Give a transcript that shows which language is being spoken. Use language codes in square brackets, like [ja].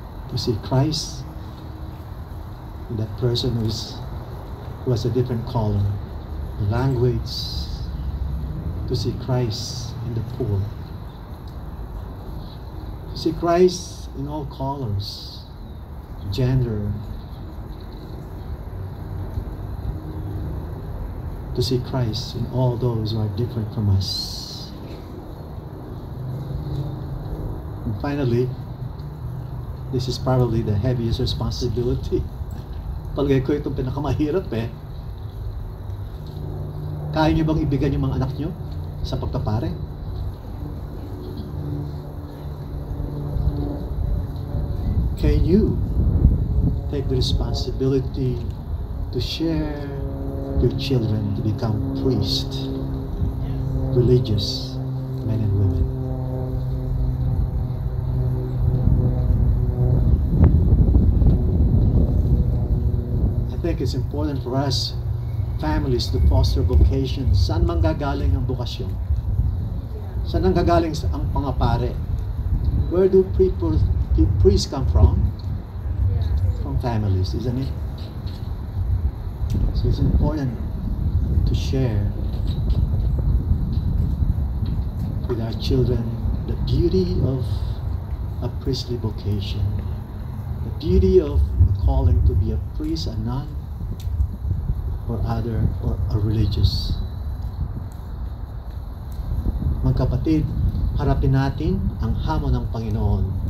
[en] to see Christ in that person who has a different color, language, to see Christ in the poor, to see Christ in all colors, gender, to see Christ in all those who are different from us. And finally, this is probably the heaviest responsibility. [tl] Palagay ko itong pinakamahirap eh. Kaya niyo bang ibigay yung mga anak niyo sa pagkapare? [en] Can you take the responsibility to share your children to become priests, religious men and women? I think it's important for us families to foster vocations. [tl] Saan manggagaling ang bukasyon? Saan manggagaling ang pangapare? [en] Where do priests come from? From families, isn't it? So it's important to share with our children the beauty of a priestly vocation, the beauty of a calling to be a priest, a nun, or other, or a religious. [tl] Mga kapatid, harapin natin ang hamon ng Panginoon.